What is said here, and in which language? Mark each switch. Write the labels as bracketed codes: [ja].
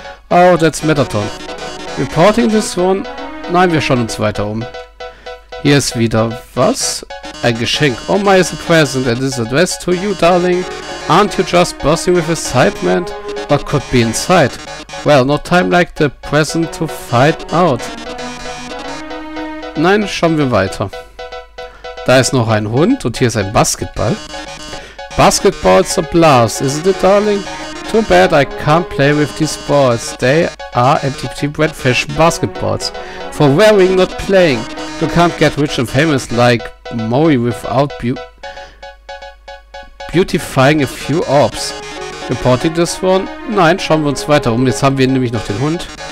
[en] Oh, that's Metaton. Reporting this one? [de] Nein, wir schauen uns weiter um. Hier ist wieder was? Ein Geschenk. [en] Oh my, it's a present and it's addressed to you, darling. Aren't you just bursting with excitement? What could be inside? Well, no time like the present to find out. [de] Nein, schauen wir weiter. Da ist noch ein Hund und hier ist ein Basketball. [en] Basketball's a blast, isn't it, darling? Too bad I can't play with these balls. They are MTT Breadfish basketballs. For wearing, not playing. You can't get rich and famous like Mori without beautifying a few orbs. Reporting this one? [de] Nein, schauen wir uns weiter um. Jetzt haben wir nämlich noch den Hund.